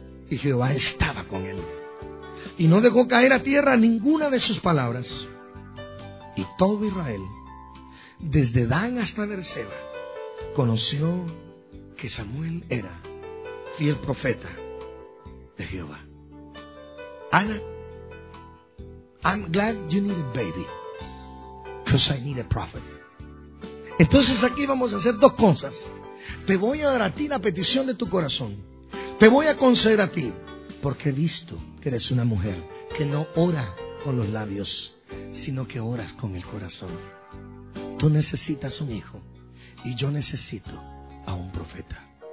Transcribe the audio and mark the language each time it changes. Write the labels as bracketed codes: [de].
[es] Y Jehová estaba con él. Y no dejó caer a tierra ninguna de sus palabras. Y todo Israel, desde Dan hasta Berseba, conoció que Samuel era fiel profeta de Jehová. [en] Ana, I'm glad you need a baby, because I need a prophet. [es] Entonces aquí vamos a hacer dos cosas. Te voy a dar a ti la petición de tu corazón. Te voy a conceder a ti, porque he visto que eres una mujer que no ora con los labios, sino que oras con el corazón. Tú necesitas un hijo, y yo necesito a un profeta.